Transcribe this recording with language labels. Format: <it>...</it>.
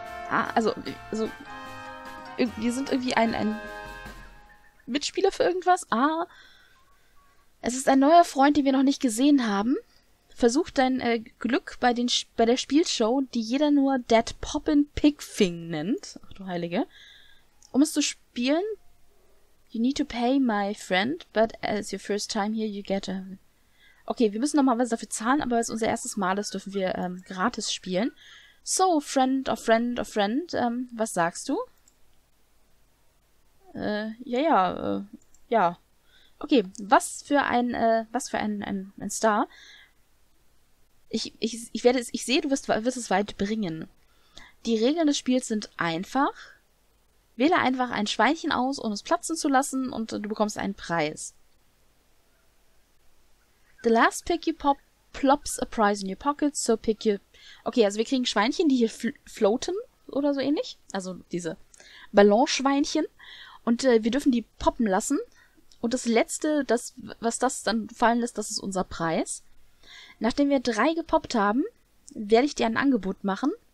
<de>Ah, also wir sind irgendwie ein Mitspieler für irgendwas. Ah. Es ist ein neuer Freund, den wir noch nicht gesehen haben. Versuch dein Glück bei den bei der Spielshow, die jeder nur Dead Poppin' Pigfing nennt. Ach du Heilige. Um es zu spielen,</de> <en>you need to pay my friend, but as your first time here, you get a...</en> <de>Okay, wir müssen normalerweise dafür zahlen, aber als unser erstes Mal ist, dürfen wir gratis spielen.</de> <en>So, friend of friend of friend,</en> <de>was sagst du? Ja. Okay, was für ein Star. Ich sehe, du wirst es weit bringen. Die Regeln des Spiels sind einfach. Wähle einfach ein Schweinchen aus, um es platzen zu lassen, und du bekommst einen Preis.</de> <en>The last pick you pop plops a prize in your pocket, so pick your...</en> <de>Okay, also wir kriegen Schweinchen, die hier floaten oder so ähnlich. Also diese Ballonschweinchen. Und wir dürfen die poppen lassen. Und das Letzte, was das dann fallen lässt, das ist unser Preis. Nachdem wir drei gepoppt haben, werde ich dir ein Angebot machen.</de>